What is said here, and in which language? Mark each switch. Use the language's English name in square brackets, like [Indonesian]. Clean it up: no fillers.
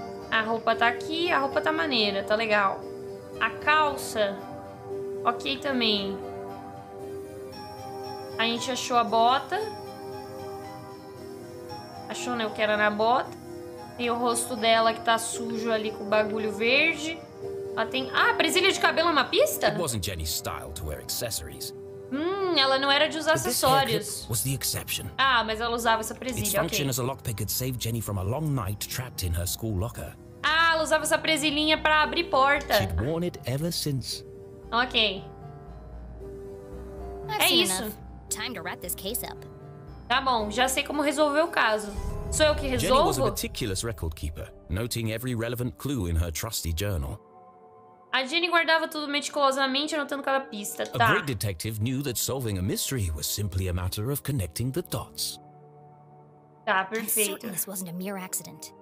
[Portuguese] A roupa tá aqui. A roupa tá maneira. Tá legal. A calça. Ok também. A gente achou a bota. Achou, né, o que era na bota. Tem o rosto dela que tá sujo ali com o bagulho verde. Ela tem... Ah, a presilha de cabelo é uma pista? Não era [English] Jenny's style to wear accessories. [Portuguese] Ela não era de usar acessórios. Ah, mas ela usava essa presilha, ok. [English] As a lockpick had saved Jenny from a long night trapped in her school locker. [Portuguese] Ah, ela usava essa presilhinha pra abrir porta. [English] She'd worn it ever since. Ok. I've [Portuguese] é isso. [English] Time to wrap this case up. [Portuguese] Tá bom, já sei como resolver o caso. Sou eu que resolvo? [English] Jenny was a meticulous record keeper, noting every relevant clue in her trusty journal. [Portuguese] A Jenny guardava tudo meticulosamente, anotando cada pista, tá? [English] A great detective knew that solving a mystery was simply a matter of connecting the dots. [Portuguese] Tá, perfeito. [English] This wasn't a mere accident.